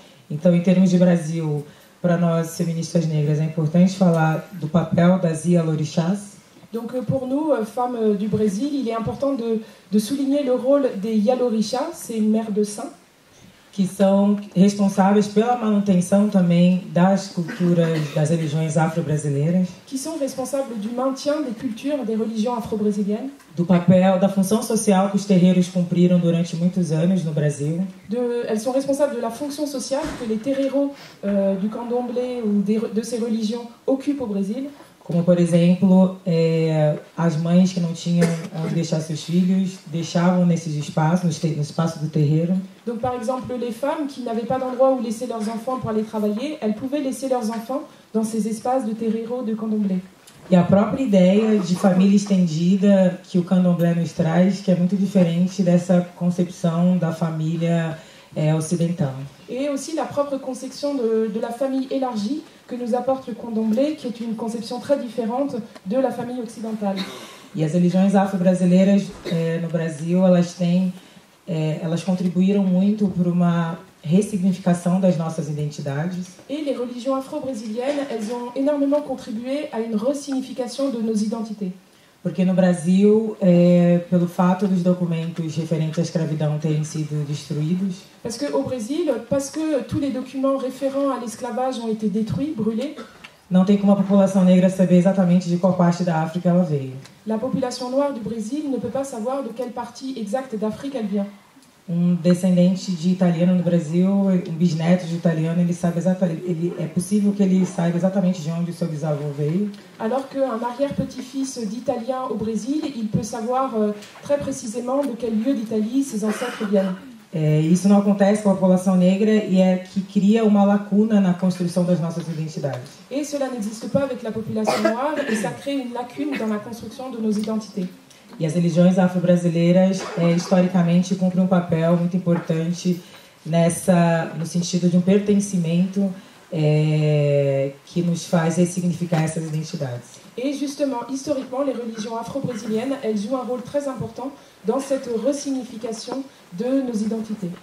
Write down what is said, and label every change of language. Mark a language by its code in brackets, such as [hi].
[pt] Então, em termos de Brasil, para nós, feministas negras, é importante falar do papel das yalorixás. [fr] Donc pour nous, femmes du Brésil, il est important de souligner le rôle des yalorixás, ces mères de saints. [pt] que são responsáveis pela manutenção também das culturas das religiões afro-brasileiras. Que são responsáveis [fr] do maintien des cultures des religions afro-brésiliennes. [pt] Do papel, da função social que os terreiros cumpriram durante muitos anos no Brasil. [fr] Elles sont responsables de la fonction sociale que les terreiros du candomblé ou de ces religions occupent au Brésil. [pt] Como, por exemplo, as mães que não tinham onde deixar seus filhos, deixavam nesses espaços, no espaço do terreiro. [fr] Donc, par exemple, les femmes qui n'avaient pas d'endroit où laisser leurs enfants pour aller travailler, elles pouvaient laisser leurs enfants dans ces espaces de terreiro, de candomblé. [pt] E a própria ideia de família estendida que o candomblé nos traz, que é muito diferente dessa concepção da família ocidental. [fr] Et aussi la propre conception de la famille élargie que nous apporte le candomblé, qui est une conception très différente de la famille occidentale. [pt] E as religiões afro-brasileiras no Brasil, elas contribuíram muito para uma ressignificação das nossas identidades. [fr] Et les religions afro-brésiliennes, elles ont énormément contribué à une ressignification de nos identités. [pt] Porque no Brasil, pelo fato dos documentos referentes à escravidão terem sido destruídos. [fr] Parce que au Brésil, parce que tous les documents référents à l'esclavage ont été détruits, brûlés. [pt] Não tem como a população negra saber exatamente de qual parte da África ela veio. [fr] La population noire du Brésil ne peut pas savoir de quelle partie exacte d'Afrique elle vient. [pt] Um descendente de italiano no Brasil, um bisneto de italiano, ele sabe exatamente, ele é possível que ele saiba exatamente de onde seu bisavô veio. [fr] Alors que un arrière-petit-fils d'italien au Brésil, il peut savoir très précisément de quel lieu d'Italie ses ancêtres viennent. [pt] Isso não acontece com a população negra e é que cria uma lacuna na construção das nossas identidades. [fr] Et cela n'existe pas avec la population noire et ça crée une lacune dans la construction de nos identités. [pt] E as religiões afro-brasileiras, historicamente, cumprem um papel muito importante no sentido de um pertencimento que nos faz ressignificar essas identidades. E, justamente, historicamente, as religiões afro-brasileiras, elas jogam um rol [fr] très important dans cette ressignification de nos identités.